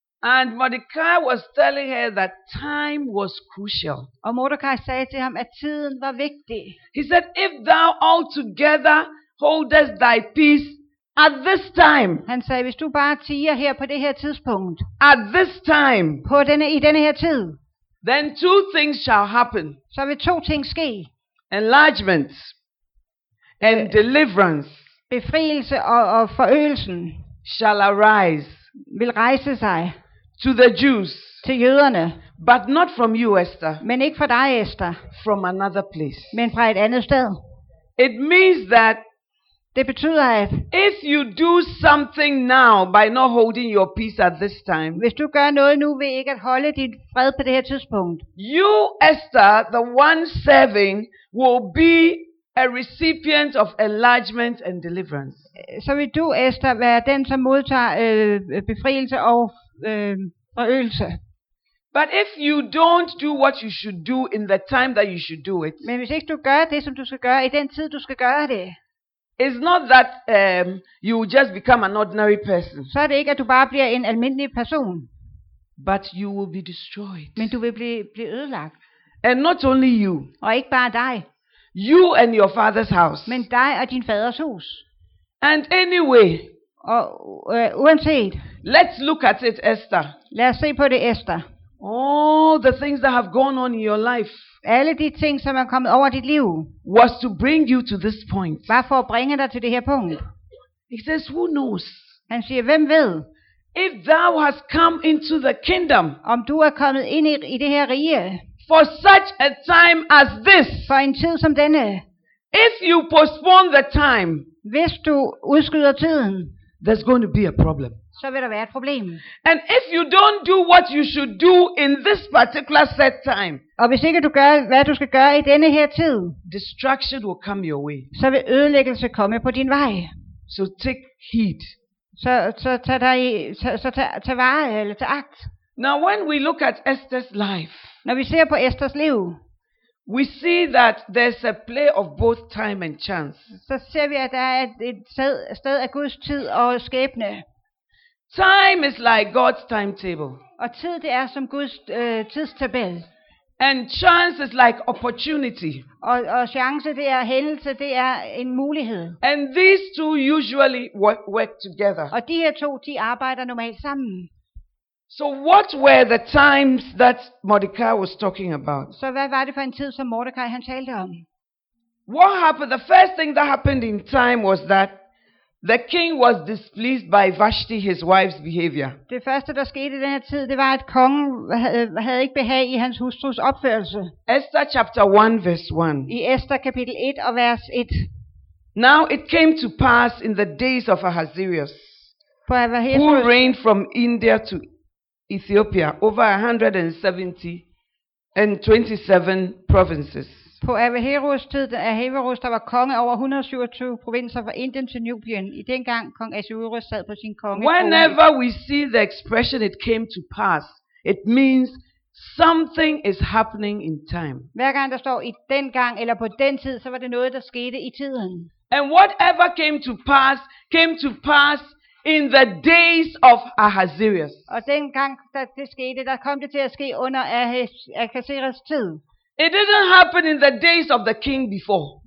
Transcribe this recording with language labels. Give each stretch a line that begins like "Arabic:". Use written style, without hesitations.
English: And Mordecai was telling her that time was crucial.
Danish: Og Mordecai sagde til ham, at tiden var vigtig.
English: He said, if thou altogether holdest thy peace at this time.
Danish: Han sagde, hvis du bare tier her på det her tidspunkt.
English: At this time.
Danish: På denne, i denne her tid.
English: Then two things shall happen.
Danish: Så vil to ting ske.
English: Enlargement. And deliverance.
Danish: Befrielse og forøgelsen.
English: Shall arise.
Danish: Vil rejse sig.
English: To the Jews.
Danish: Til jøderne.
English: But not from you, Esther.
Danish: Men ikke fra dig, Esther.
English: From another place.
Danish: Men fra et andet sted.
English: It means that.
Danish: Det betyder at
English: if you do something now by not holding your peace at this time.
Danish: Hvis du gør noget nu ved ikke at holde din fred på det her tidspunkt.
English: You, Esther, the one serving, will be a recipient of enlargement and deliverance.
Danish: Så vil du, Esther, være den som modtager befrielse og forøgelse.
English: But if you don't do what you should do in the time that you should do it.
Danish: Men hvis ikke du gør det som du skal gøre i den tid du skal gøre det.
English: It's not that you will just become an ordinary person.
Danish: Så er det ikke, at du bare bliver en almindelig person.
English: But you will be destroyed.
Danish: Men du vil blive ødelagt.
English: And not only you.
Danish: Og ikke bare dig.
English: You and your father's house.
Danish: Men dig og din faders hus.
English: And anyway.
Danish: Og uanset.
English: Let's look at it, Esther.
Danish: Lad os se på det, Esther.
English: All the things that have gone on in your life.
Danish: Alle de ting, som er kommet over dit liv.
English: Was to bring you to this point.
Danish: Var for at bringe dig til det her punkt.
English: He says, who knows?
Danish: Han siger, hvem ved?
English: If thou hast come into the kingdom.
Danish: Om du er kommet ind i det her rige.
English: For such a time as this.
Danish: For en tid som denne.
English: If you postpone the time.
Danish: Hvis du udskyder tiden.
English: There's going to be a problem.
Danish: Så vil der være et problem.
English: And if you don't do what you should do in this particular set time.
Danish: Og hvis ikke du gør, hvad du skal gøre i denne her tid.
English: Destruction will come your way.
Danish: Så vil ødelæggelse komme på din vej.
English: So take heed.
Danish: Så tag vare eller tag akt.
English: Now when we look at Esther's life.
Danish: Når vi ser på Esthers liv.
English: We see that there's a play of both time and chance.
Danish: Så ser vi, at der er et sted af Guds tid og skæbne.
English: Time is like God's timetable.
Danish: Og tid, det er som Guds tidstabel.
English: And chance is like opportunity.
Danish: Og chance, det er hændelse, det er en mulighed.
English: And these two usually work together.
Danish: Og de her to, de arbejder normalt sammen.
English: So what were the times that Mordecai was talking about?
Danish: Så hvad var det for en tid, som Mordecai han talte om?
English: What happened? The first thing that happened in time was that the king was displeased by Vashti, his wife's behavior.
Danish: Det første, der skete i den her tid, det var, at kongen havde ikke behag i hans hustrus opførelse.
English: Esther chapter 1 verse 1.
Danish: I Esther kapitel 1 og vers 1.
English: Now it came to pass in the days of Ahasuerus, who reigned from India to Ethiopia over 127 provinces.
Danish: På Ahasuerus tid, Ahasuerus der var konge over 127 provinser fra Indien til Etiopien. I den gang kong Ahasuerus sad på sin konge.
English: Whenever we see the expression it came to pass, it means something is happening in time.
Danish: Hver gang der står i den gang eller på den tid, så var det noget der skete i tiden.
English: And whatever came to pass in the days of Ahasuerus.
Danish: Og den gang der det skete, der kom det til at ske under Ahasuerus tid.
English: It didn't happen in the days of the king before.